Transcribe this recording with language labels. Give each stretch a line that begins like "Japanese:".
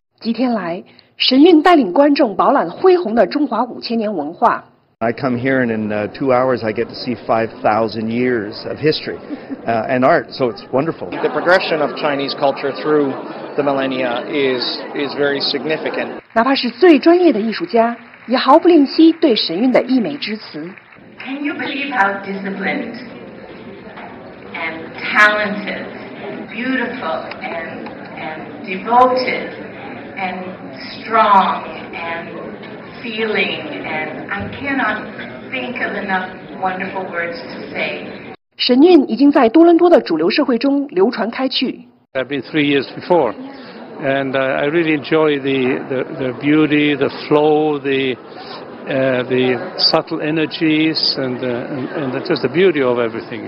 Chinese: 几天来，神韵带领观众饱览恢宏的中华五千年文化。
English: I come here and in 2 hours I get to see 5,000 years of history and art, so it's wonderful. The progression of Chinese culture through the millennia is very significant.
Chinese: 哪怕是最专业的艺术家，也毫不吝惜对神韵的溢美之词。
English: Can you believe how disciplined and talented and beautiful and devoted and strong and... feeling and I cannot think of enough wonderful words to say.
Chinese: 神韵已经在多伦多的主流社会中流传开去。
English: I've been 3 years before, and I really enjoy the beauty, the flow, the subtle energies, and just the beauty of everything.